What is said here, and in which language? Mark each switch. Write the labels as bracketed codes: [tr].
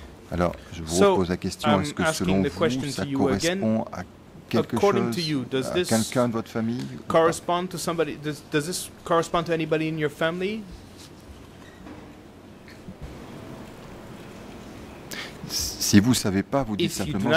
[fr] Alors, je vous repose la question, est-ce que selon vous, ça correspond à quelque chose, à quelqu'un de votre famille? [en] Does this correspond to anybody in your family? [fr] Si vous ne savez pas, vous dites simplement,